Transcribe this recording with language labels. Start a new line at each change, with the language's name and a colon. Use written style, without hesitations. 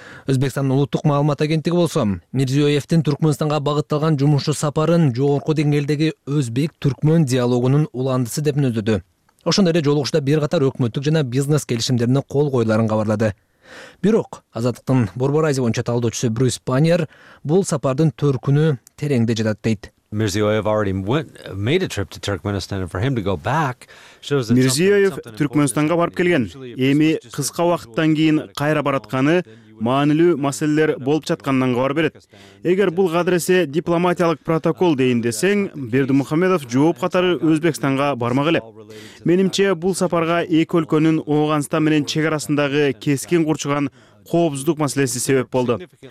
Kyrgyz: Өзбекстандын улуттук маалымат агенттиги болсо, Мирзиёевдин Түркмөнстанга багытталган жумушу сапарын жогорку деңгээлдеги өзбек-түркмөн диалогунун уландысы деп мүнөздөдү. Ошондой эле жолугушууда бир катар өкмөттүк жана бизнес келишимдерине кол коюуларын кабарлады. Бирок Азаттыктын Борбор Азия боюнча талдоочусу Брюс Паньер бул сапардын төркүнү тереңде жатат дейт.
English: Мирзиёев already went made a trip to Turkmenistan and for him to go back shows that
Kyrgyz: Мирзиёев Түркмөнстанга барып келген. Эми кыска убакыттан кийин кайра баратканы маанилүү маселелер болуп жатканынан кабар берет. Эгер бул кадыресе дипломатиялык протокол дейин десең, Бердимухамедов жооп катары Өзбекстанга бармак эле. Менимче бул сапарга эки өлкөнүн Ооганстан менен чек арасындагы кескин курчуган коопсуздук маселеси себеп болду.